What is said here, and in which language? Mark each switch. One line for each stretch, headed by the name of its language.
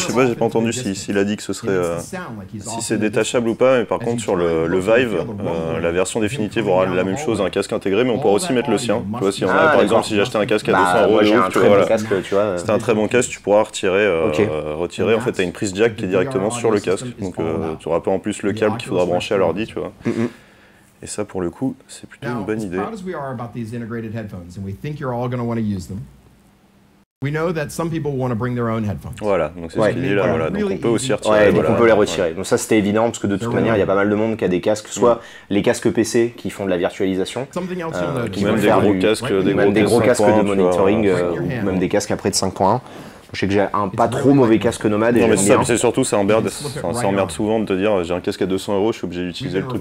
French: Je sais pas, j'ai pas entendu s'il a dit que ce serait, si c'est détachable ou pas, mais par contre, sur le Vive, la version définitive aura la même chose, un casque intégré, mais on pourra aussi mettre le sien. Tu vois, si on a, par exemple, si j'achetais un casque à 200€, j'ai un très bon casque, tu vois. C'est un très bon casque, tu pourras retirer. En fait, t'as une prise jack qui est directement sur le casque. Donc, tu auras pas en plus le câble qu'il faudra brancher à l'ordi, tu vois. Et ça, pour le coup, c'est plutôt une bonne idée.
English: As we are about these integrated headphones, and we think you're all going to want to use them. We know that some people want to bring their own headphones.
French: Voilà, donc c'est ce qu'il dit là. Voilà, donc on peut aussi retirer. Ouais, voilà. Donc on peut les retirer. Ouais. Donc ça, c'était évident parce que de toute manière, il y a pas mal de monde qui a des casques, soit les casques PC qui font de la virtualisation, qui même des gros casques, de monitoring, ou même des casques à près de 5.1. Je sais que j'ai un pas trop mauvais casque nomade. Non, mais c'est ça, c'est surtout, ça emmerde souvent de te dire j'ai un casque à 200€, je suis obligé d'utiliser le truc.